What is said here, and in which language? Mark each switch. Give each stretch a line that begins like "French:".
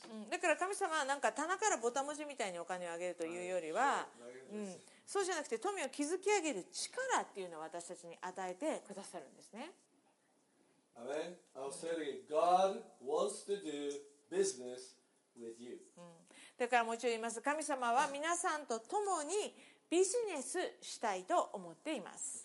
Japanese: だから神様はなんか棚からボタン文字みたいにお金をあげるというよりは、そうじゃなくて富を築き上げる力っていうのを私たちに与えてくださるんですね。
English: Amen. I was telling you, God wants to do business with you.
Japanese: だからもちろん言います。神様は皆さんと共にビジネスしたいと思っています。